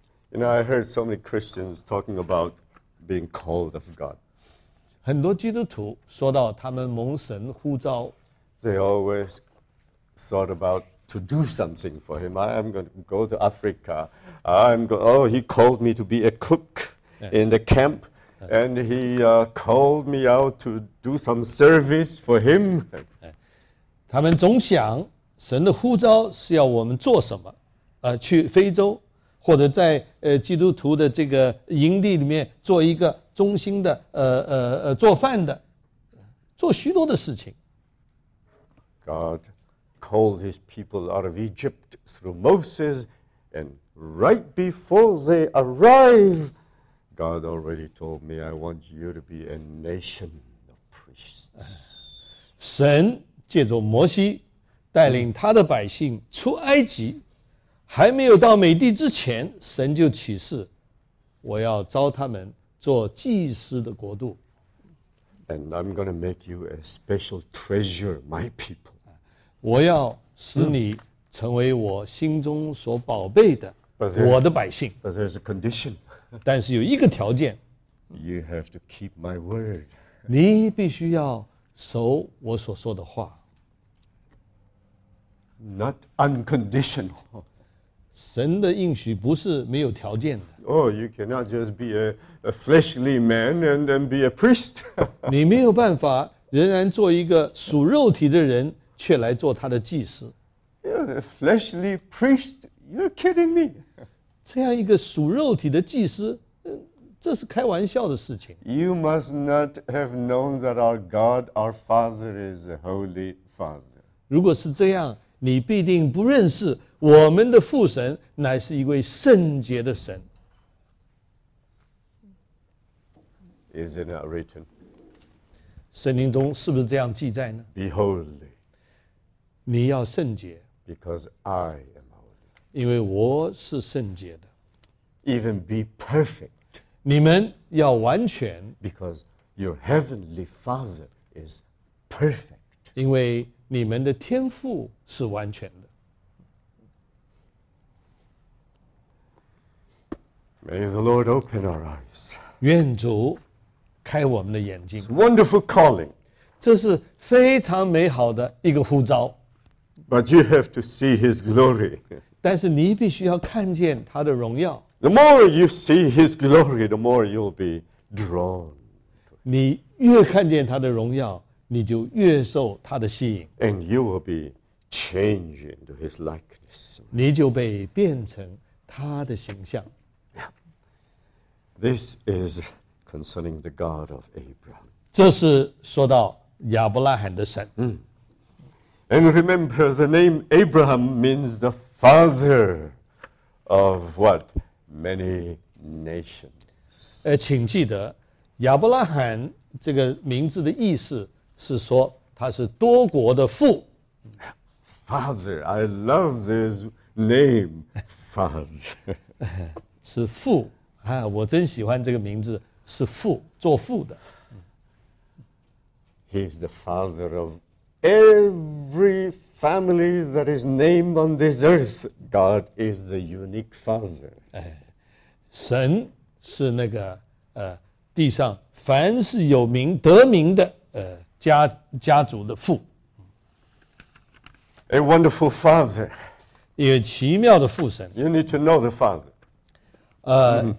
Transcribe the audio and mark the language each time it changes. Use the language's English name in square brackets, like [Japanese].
[English] You know, I heard so many Christians talking about being called of God. [Chinese] 很多基督徒说到他们蒙神呼召。 [English] They always thought aboutTo do something for him. I am going to go to Africa. Oh, he called me to be a cook in the camp. And he called me out to do some service for him. [Chinese] 他们总想神的呼召是要我们做什么、去非洲或者在、基督徒的这个营地里面做一个忠心的、做饭的做许多的事情。 [English] GodCalled his people out of Egypt through Moses, and right before they arrive, God already told me, "I want you to be a nation of priests." [Chinese] 神借着摩西带领他的百姓出埃及，还没有到美地之前，神就启示，我要召他们做祭司的国度。 [English] And I'm going to make you a special treasure, my people. [Chinese] 我要使你成为我心中所宝贝的我的百姓。 [English] But there's a condition. [Chinese] 但是有一个条件。 [English] You have to keep my word. [Chinese] 你必须要守我所说的话。 [English] Not unconditional. [Chinese] 神的应许不是没有条件的。 [English] Oh, you cannot just be a fleshly man and then be a priest. [Chinese] 你没有办法仍然做一个属肉体的人却来做他的祭司。 [English] You're a fleshly priest, you're kidding me. [Chinese] 这样一个属肉体的祭司，这是开玩笑的事情。 [English] You must not have known that our God, our Father, is a holy Father. [Chinese] 如果是这样，你必定不认识我们的父神乃是一位圣洁的神。 [English] Is it not written? [Chinese] 圣经中是不是这样记载呢？ [English] Behold. [Chinese] 你要圣洁 [English] ，because I am holy， [Chinese] 因为我是圣洁的。 [English] Even be perfect， [Chinese] 你们要完全 [English] ，because your heavenly Father is perfect， [Chinese] 因为你们的天父是完全的。 [English] May the Lord open our eyes， [Chinese] 愿主开我们的眼睛。 [English] It's a wonderful calling， [Chinese] 这是非常美好的一个呼召。 [English] But you have to see His glory. [Chinese] 但是你必须要看见他的荣耀。 [English] The more you see His glory, the more you'll be drawn. [Chinese] 你越看见他的荣耀，你就越受他的吸引。 [English] And you will be changed into His likeness. [Chinese] 你就被变成他的形象。 [English] This is concerning the God of Abraham. [Chinese] 这是说到亚伯拉罕的神。嗯。 [English] And remember, the name Abraham means the father of what? Many nations. [Chinese] 请记得亚伯拉罕这个名字的意思是说他是多国的父。 [English] Father, I love this name, Father. [Chinese] 是父、啊、我真喜欢这个名字，是父，做父的。 [English] He is the father of every family that is named on this earth. God is the unique father. [Chinese] 神是那个、地上凡是有名得名的、家族的父。 [English] A wonderful father. [Chinese] 一个奇妙的父神。 [English] You need to know the father.